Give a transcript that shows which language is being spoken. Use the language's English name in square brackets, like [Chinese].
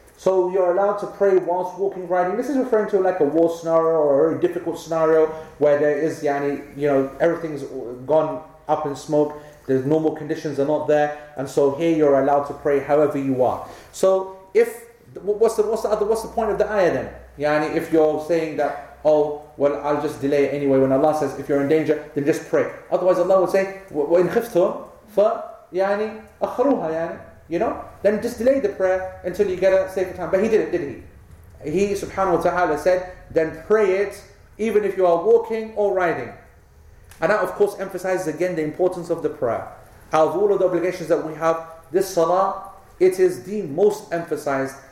[English] So you're allowed to pray whilst walking, riding. This is referring to like a war scenario or a very difficult scenario where there is yani, you know, everything's gone up in smoke. The normal conditions are not there. And so here you're allowed to pray however you are. So if, what's the point of the ayah then? Yani, if you're saying that, oh, well, I'll just delay it anyway. When Allah says, if you're in danger, then just pray. Otherwise Allah would say, [Arabic] وَإِنْ خِفْتُمْ فَيَعْنِي أَخْرُوهَا يَعْنِي. [English] You know, then just delay the prayer until you get a safer time. But he didn't, did he? He, subhanahu wa ta'ala, said, then pray it, even if you are walking or riding. And that, of course, emphasizes again the importance of the prayer. Out of all of the obligations that we have, this salah, it is the most emphasized.